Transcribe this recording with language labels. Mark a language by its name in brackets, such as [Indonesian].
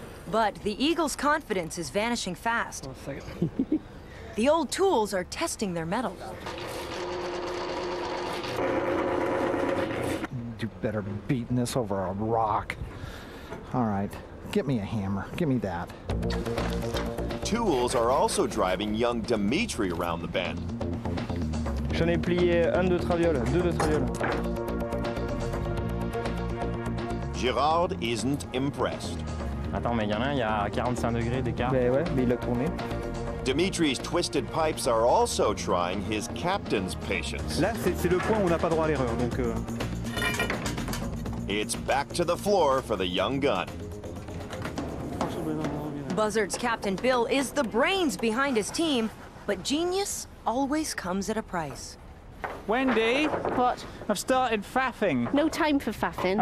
[English] But the Eagles' confidence is vanishing fast. The old tools are testing their mettle. You better be beating this over a rock. All right, get me a hammer. Give me that. Tools are also driving young Dimitri around the bend. [French] J'en ai plié un de traviole, deux de traviole. [English] Gérard isn't impressed. [French] Attends, mais il y en a un, il y a 45 degrés d'écart. Ben ouais, mais il l'a tourné. [English] Dimitri's twisted pipes are also trying his captain's patience. [French] Là, c'est le point où on n'a pas droit à l'erreur, donc... [English] It's back to the floor for the young gun. Buzzard's captain Bill is the brains behind his team, but genius always comes at a price. Wendy! What? I've started faffing. No time for faffing.